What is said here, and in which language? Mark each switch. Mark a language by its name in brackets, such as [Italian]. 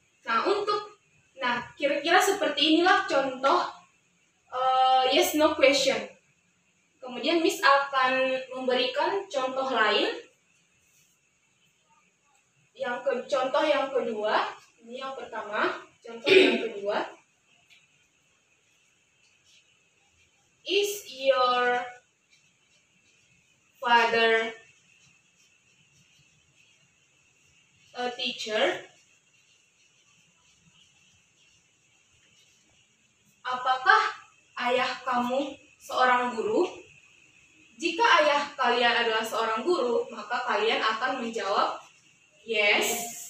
[Indonesian] Nah, untuk, nah, kira-kira seperti inilah contoh yes, no question. Kemudian Miss akan memberikan contoh lain. Contoh yang kedua, ini yang pertama, contoh yang kedua. [English] Is your father a teacher? [Indonesian] Apakah ayah kamu seorang guru? Jika ayah kalian adalah seorang guru, maka kalian akan menjawab yes.